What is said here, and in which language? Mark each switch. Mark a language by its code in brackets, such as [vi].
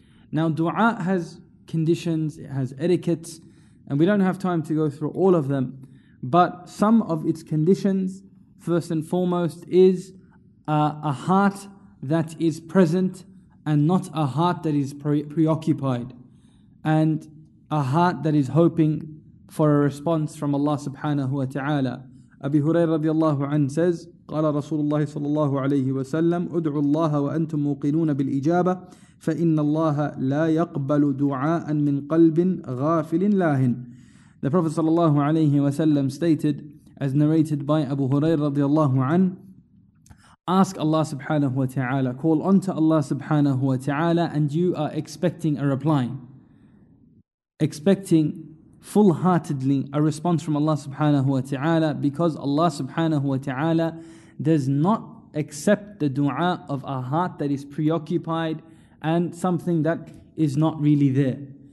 [en] Now dua has conditions, it has etiquettes, and we don't have time to go through all of them, but some of its conditions, first and foremost, is a heart that is present and not a heart that is preoccupied, and a heart that is hoping for a response from Allah subhanahu wa ta'ala. Abi Hurairah radiallahu anhu says, [ar] قال رسول الله صلى الله عليه وسلم ادعوا الله وأنتم موقنون بالإجابة فإن الله لا يقبل دعاء من قلب غافل لاهن. [en] The Prophet صلى الله عليه وسلم stated, as narrated by Abu Hurairah رضي الله عنه, ask Allah سبحانه وتعالى, call unto Allah سبحانه وتعالى, and you are expecting a reply, expecting full-heartedly a response from Allah subhanahu wa ta'ala, because Allah subhanahu wa ta'ala does not accept the dua of a heart that is preoccupied and something that is not really there.